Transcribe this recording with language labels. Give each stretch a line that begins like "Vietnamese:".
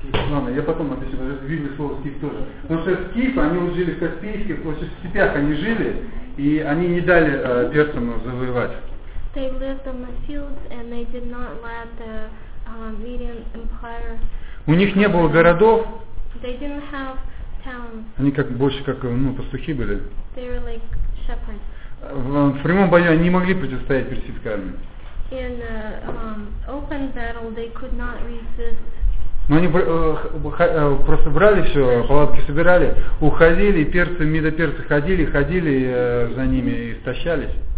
Russian: Ладно, я потом объясню, видно слово скиф тоже. Потому что скифы, они вот жили в Каспийских, в степях они жили, и они не дали перцам завоевать.
English: They lived on the fields and they did not let the Median Empire.
Russian: У них не было городов.
English: They didn't have towns.
Russian: Они как больше как ну, пастухи были.
English: They were like shepherds.
Russian: В прямом бою они не могли противостоять персидской армии.
English: In open battle they could not resist.
Russian: Но они просто брали все, палатки собирали, уходили, перцы, медоперцы ходили, ходили за ними и истощались.